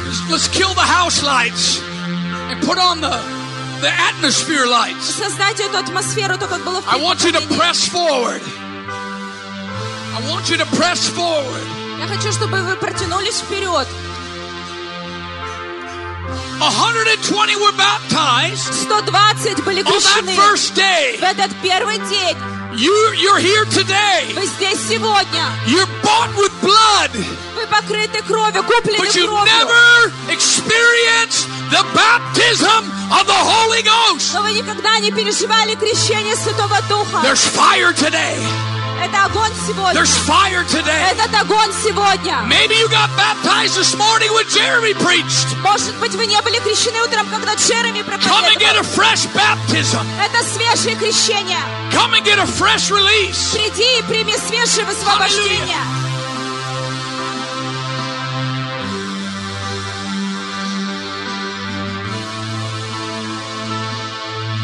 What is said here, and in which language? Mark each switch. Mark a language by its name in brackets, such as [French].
[English] Let's kill the house lights and put on the atmosphere lights. [Russian] Создайте эту атмосферу, то как было в. [English] I want you to press forward. I want you to press forward. [Russian] Я хочу, чтобы вы протянулись вперед. [English] 120 were baptized. [Russian] 120 были крещены. [English] On that first day. [Russian] В этот первый день. [English] You're here today. [Russian] Вы здесь сегодня. [English] You're bought with blood. [Russian] Вы покрыты кровью, куплены кровью. [English] But you never experienced the baptism of the Holy Ghost. [Russian] Но вы никогда не переживали крещение Святого Духа. [English] There's fire today. [Russian] Это огонь сегодня. [English] There's fire today. [Russian] Этот огонь сегодня. [English] Maybe you got baptized this morning when Jeremy preached. [Russian] Может быть, вы не были крещены утром, когда Джереми проповедовал. [English] Come and get a fresh baptism. [Russian] Это свежее крещение. [English] Come and get a fresh release. [Russian] Приди и прими свежее освобождение.